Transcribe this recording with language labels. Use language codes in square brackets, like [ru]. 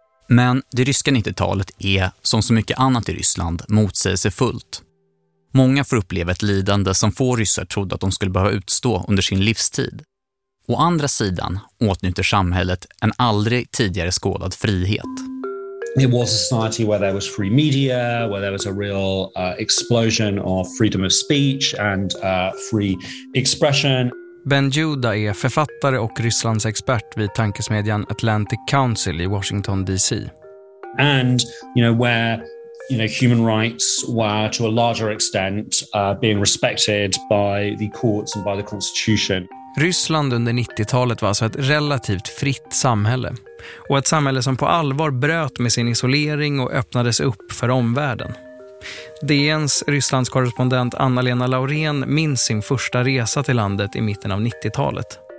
[sv] Men det ryska 90-talet är, som så mycket annat i Ryssland, motsägelsefullt. Många får uppleva ett lidande som få ryssar trodde att de skulle behöva utstå under sin livstid. Å andra sidan åtnjuter samhället en aldrig tidigare skådad frihet. [en] It was a society where there was free media, where there was a real explosion of freedom of speech and free expression. [sv] Ben Judah är författare och Rysslands expert vid tankesmedjan Atlantic Council i Washington DC. [en] And, you know, where, you know, human rights were to a larger extent being respected by the courts and by the constitution. [sv] Ryssland under 90-talet var alltså ett relativt fritt samhälle. Och ett samhälle som på allvar bröt med sin isolering och öppnades upp för omvärlden. DNs Rysslandskorrespondent Anna-Lena Laurén minns sin första resa till landet i mitten av 90-talet.